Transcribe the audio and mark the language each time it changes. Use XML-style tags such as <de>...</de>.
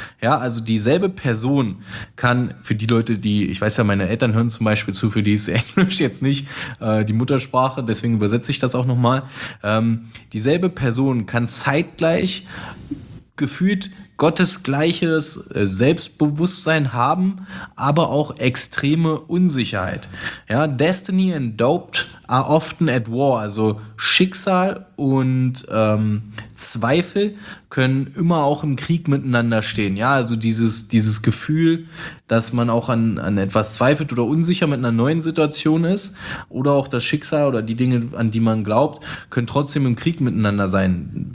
<de>Ja, also dieselbe Person kann für die Leute, die, ich weiß ja, meine Eltern hören zum Beispiel zu, für die ist Englisch jetzt nicht die Muttersprache, deswegen übersetze ich das auch nochmal. Dieselbe Person kann zeitgleich gefühlt gottesgleiches Selbstbewusstsein haben, aber auch extreme Unsicherheit.</de> <en>Ja, Destiny and Doubt are often at war.</en> <de>Also Schicksal und Zweifel können immer auch im Krieg miteinander stehen. Ja, also dieses Gefühl, dass man auch an etwas zweifelt oder unsicher mit einer neuen Situation ist, oder auch das Schicksal oder die Dinge, an die man glaubt, können trotzdem im Krieg miteinander sein.</de>